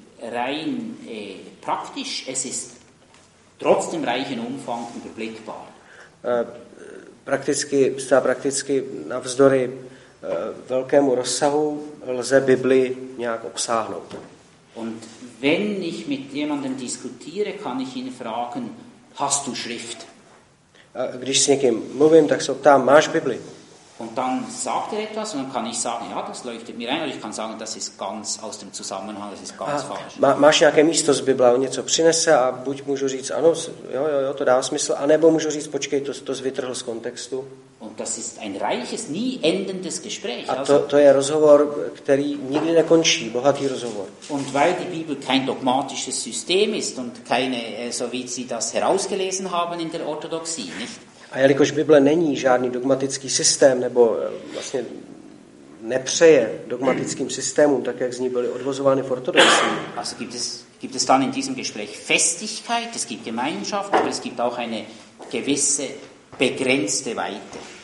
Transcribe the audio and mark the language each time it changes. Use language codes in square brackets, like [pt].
[de] Rein praktisch, es ist trotzdem reichen Umfang überblickbar. [cs] Prakticky navzdory velkému rozsahu lze Bibli nějak obsáhnout. [de] Und Wenn ich mit jemandem diskutiere, kann ich ihn fragen, hast du Schrift? [cs] A když s někým mluvím, tak se ptám, máš Bibli? [de] Und dann sagt er etwas und dann kann ich sagen, ja, das leuchtet mir ein, aber ich kann sagen, das ist ganz aus dem Zusammenhang, das ist ganz falsch. [cs] Máš nějaké místo z Bible, on něco přinese a buď můžu říct, ano, jo, jo, jo, to dává smysl, anebo můžu říct, počkej, to vytrhl z kontextu. [de] Und das ist ein reiches, nie endendes Gespräch. [cs] A to je rozhovor, který nikdy nekončí, bohatý rozhovor. [de] Und weil die Bibel kein dogmatisches System ist und keine, so wie Sie das herausgelesen haben in der Orthodoxie, nicht? [cs] A jelikož Bible není žádný dogmatický systém, nebo vlastně nepřeje dogmatickým systémům, tak jak z ní byly odvozovány v ortodoxii. [de] Also gibt es dann in diesem Gespräch Festigkeit, es gibt Gemeinschaft, aber es gibt auch eine gewisse begrenzte Weite.